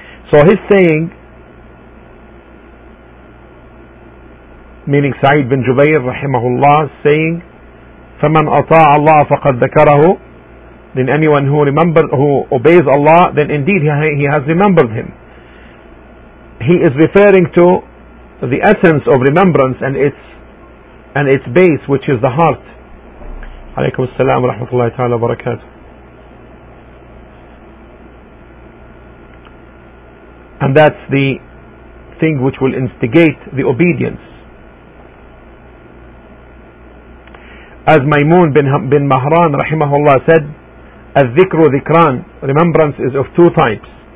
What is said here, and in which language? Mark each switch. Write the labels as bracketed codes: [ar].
[en] So his saying, meaning Sa'id bin Jubayr rahimahullah, saying, [ar] فَمَنْ أَطَاعَ اللَّهَ فَقَدْ ذَكَرَهُ. [en] Then anyone who remembers, who obeys Allah, then indeed he has remembered him. He is referring to the essence of remembrance and its base, which is the heart. [ar] عليكم السلام ورحمة الله تعالى وبركاته. [en] And that's the thing which will instigate the obedience. As Maymun bin Mahran rahimahullah said, al-dhikru dhikran, remembrance is of two types.